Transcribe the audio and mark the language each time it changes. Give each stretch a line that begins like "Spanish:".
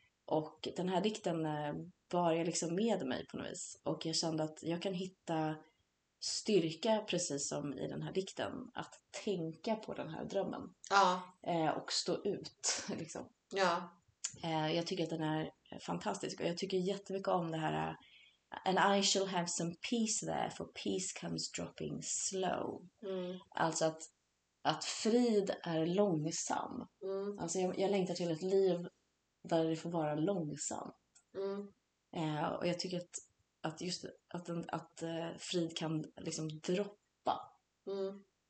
Swedish: Och den här dikten var jag liksom med mig på något vis. Och jag kände att jag kan hitta styrka precis som i den här dikten. Att tänka på den här drömmen. Ja. Och stå ut liksom. Ja. Jag tycker att den är fantastisk. Och jag tycker jättemycket om det här.
English: And I shall have some peace there for peace comes dropping slow. Mm.
Swedish: Alltså att, att frid är långsam. Mm. Alltså jag längtar till ett liv där det får vara långsamt. Mm. Och jag tycker att just att frid kan liksom droppa. Mm.